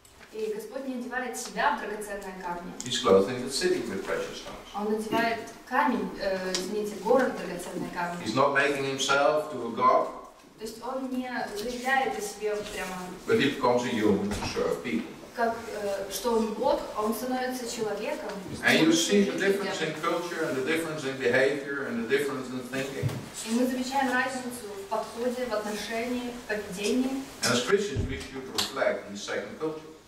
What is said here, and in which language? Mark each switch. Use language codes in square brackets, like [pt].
[ru] И Господь не одевает себя в драгоценные камни. [en] He's clothing the city with precious stones. [ru] Он одевает камень, извините, город в драгоценные камни. [en] He's not making himself to a god. [ru] То есть он не заявляет о себе прямо. [en] But he becomes a human to serve people. [ru] Как что он Бог, он становится человеком. [en] And you see the difference in culture and the difference in behavior and the difference in thinking. [ru] И мы замечаем разницу в подходе, в отношении, в поведении. [en] And as Christians, we should reflect the second culture.